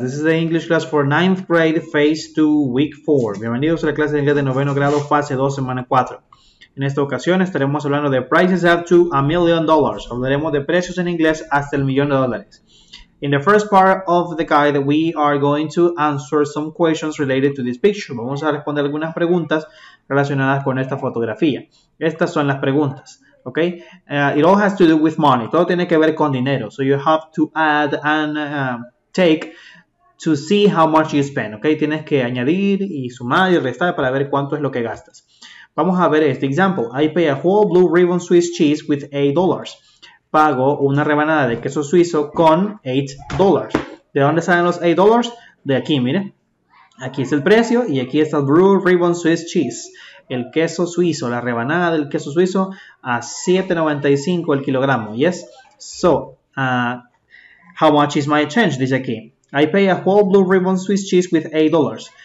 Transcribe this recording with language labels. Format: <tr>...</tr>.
<en>This is the English class for 9th grade, phase 2, week 4.</en> <es>Bienvenidos a la clase de inglés de noveno grado, fase 2, semana 4. En esta ocasión estaremos hablando de</es> <en>prices up to $1,000,000.</en> <es>Hablaremos de precios en inglés hasta el millón de dólares.</es> <en>In the first part of the guide, we are going to answer some questions related to this picture.</en> <es>Vamos a responder algunas preguntas relacionadas con esta fotografía. Estas son las preguntas.</es> <en>Okay, it all has to do with money.</en> <es>Todo tiene que ver con dinero.</es> <en>So you have to add and take to see how much you spend.</en> <es>Okay, tienes que añadir y sumar y restar para ver cuánto es lo que gastas. Vamos a ver este example.</es> <en>I pay a whole blue ribbon Swiss cheese with $8.</en> <es>Pago una rebanada de queso suizo con $8. ¿De dónde salen los $8? De aquí, miren. Aquí es el precio y aquí está el blue ribbon Swiss cheese. El queso suizo, la rebanada del queso suizo a $7.95 el kilogramo.</es> <en>Yes. So, how much is my change?</en> <es>Dice aquí.</es> <en>I pay a whole blue ribbon Swiss cheese with $8.</en>